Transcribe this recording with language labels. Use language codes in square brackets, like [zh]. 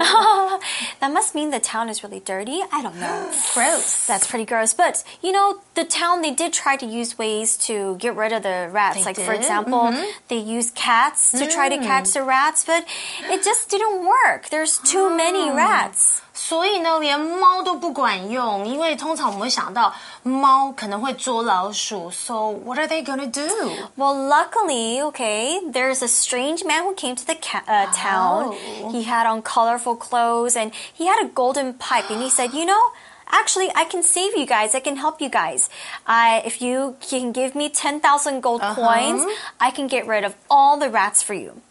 [en] That must mean the town is really dirty. I don't know. Gross. That's pretty gross. But, you know, the town, they did try to use ways to get rid of the rats. They like, did? For example, they use cats to try to catch the rats, but it just didn't work. There's too many rats. [zh] 所以呢，连猫都不管用，因为通常我们会想到猫可能会捉老鼠。 [en] So what are they gonna do? Well, luckily, okay, there's a strange man who came to the town. He had on colorful clothes and he had a golden pipe, and he said, you know, actually, I can save you guys. I can help you guys. If you can give me 10,000 gold coins, I can get rid of all the rats for you.